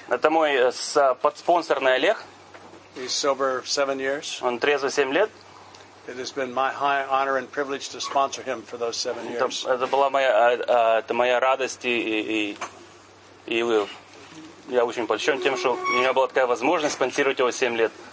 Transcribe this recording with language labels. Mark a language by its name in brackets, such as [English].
[Russian] Это мой подспонсорный Олег. [English] He's sober 7 years. [Russian] Он трезвый 7 лет. [English] It has been my high honor and privilege to sponsor him for those 7 years. [Russian] Это была моя радость и я очень польщен тем, что у меня была такая возможность спонсировать его 7 лет.